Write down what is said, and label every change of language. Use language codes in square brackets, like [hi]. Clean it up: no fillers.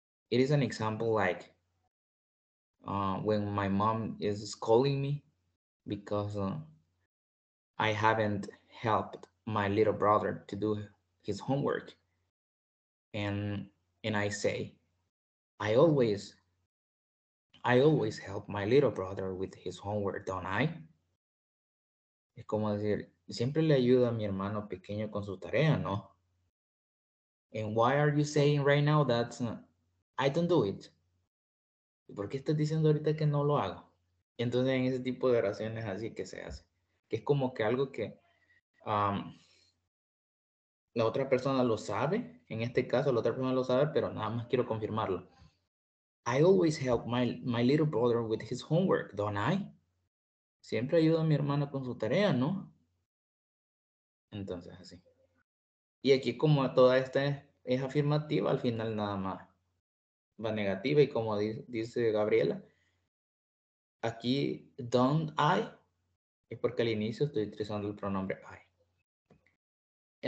[en] It is an example like when my mom is scolding me because I haven't helped my little brother to do his homework. And I say, I always help my little brother with his homework, don't I? [es] Es como decir, siempre le ayudo a mi hermano pequeño con su tarea, ¿no? [en] And why are you saying right now that I don't do it? [es] ¿Por qué estás diciendo ahorita que no lo hago? Entonces, en ese tipo de oraciones así que se hace. Que es como que algo que la otra persona lo sabe. En este caso, la otra persona lo sabe, pero nada más quiero confirmarlo. [en] I always help my little brother with his homework, don't I? [es] Siempre ayudo a mi hermano con su tarea, ¿no? Entonces, así. Y aquí, como toda esta es afirmativa, al final nada más va negativa. Y como dice Gabriela, aquí, [en] don't I, [es] es porque al inicio estoy utilizando el pronombre I.